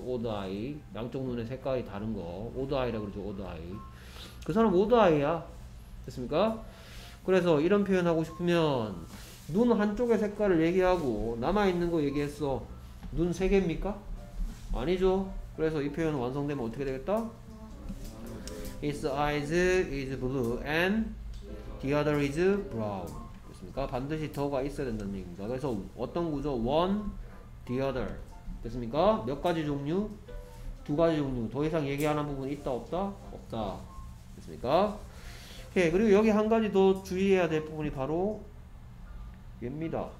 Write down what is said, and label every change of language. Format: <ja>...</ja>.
<ko>오드아이, 양쪽 눈의 색깔이 다른 거 오드아이라고 그러죠. 오드아이, 그 사람 오드아이야 됐습니까? 그래서 이런 표현 하고 싶으면 눈 한쪽의 색깔을 얘기하고 남아있는 거 얘기했어. 눈 세 개입니까? 아니죠. 그래서 이 표현 완성되면 어떻게 되겠다?</ko> <en>His eyes is blue and the other is brown.</en> <ko>됐습니까? 반드시 더가 있어야 된다는 얘기입니다. 그래서 어떤 구조?</ko> <en>One, the other.</en> <ko>됐습니까? 몇 가지 종류? 두 가지 종류. 더 이상 얘기하는 부분 있다 없다? 없다. 됐습니까? 오케이. 그리고 여기 한 가지 더 주의해야 될 부분이 바로 얘입니다.</ko>